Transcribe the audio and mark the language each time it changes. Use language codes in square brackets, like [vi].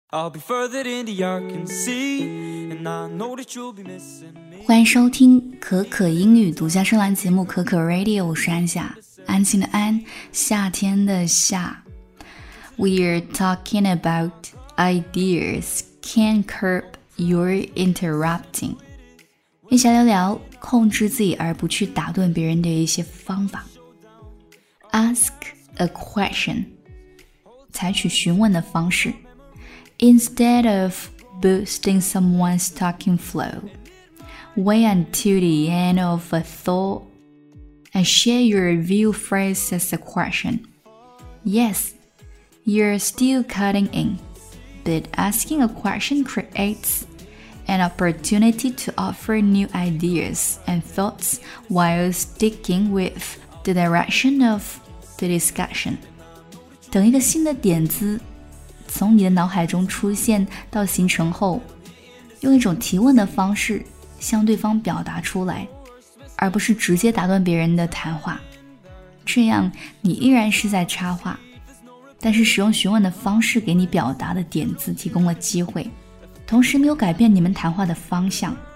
[en] I'll be further in the arc and see, and I know that you'll be missing me. [zh] 欢迎收听可可英语独家声浪节目可可 Radio， 我是安夏，安静的安，夏天的夏。 [en] We're talking about ideas can curb your interrupting. [zh] 一起来聊聊控制自己而不去打断别人的一些方法。 [en] Ask a question， [zh] 采取询问的方式。 [en] Instead of boosting someone's talking flow, wait until the end of a thought and share your view phrase as a question. Yes, you're still cutting in, but asking a question creates an opportunity to offer new ideas and thoughts while sticking with the direction of the discussion. [zh] 等一个新的点子从你的脑海中出现到形成后，用一种提问的方式向对方表达出来，而不是直接打断别人的谈话。这样你依然是在插话，但是使用询问的方式给你表达的点子提供了机会，同时没有改变你们谈话的方向。